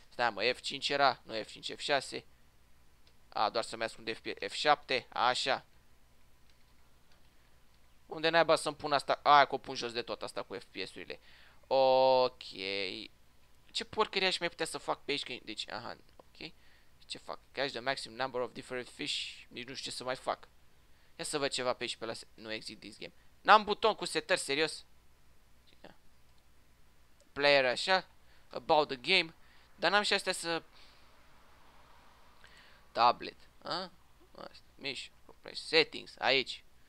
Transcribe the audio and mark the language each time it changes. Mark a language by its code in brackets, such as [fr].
[ro] Stai, mă, F5 era, nu F5, F6. A, doar să-mi ascund F7. Așa. Unde naiba să-mi pun asta? A, că o pun jos de tot asta cu FPS-urile. Ok. Ce porcărie aș mai putea să fac pe aici? Deci, aha, ok. Ce fac? [en] Catch the maximum number of different fish. [ro] Nici nu știu ce să mai fac. Ia să văd ceva pe aici pe la... Nu [en] exit this game. [ro] N-am buton cu setări, serios? Player așa, [en] about the game, [ro] dar n-am și astea să... Tablet, a? Asta, mișc, settings, aici.